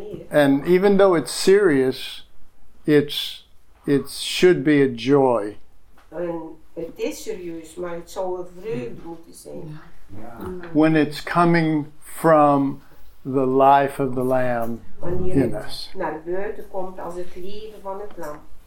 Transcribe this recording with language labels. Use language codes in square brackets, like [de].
[en] And even though it's serious, it should be a joy. [nl] Het is serieus, maar het zou een vreugde moeten zijn. [en] When it's coming from the life of the Lamb in us. [nl] Naar buiten komt als het leven van het Lam.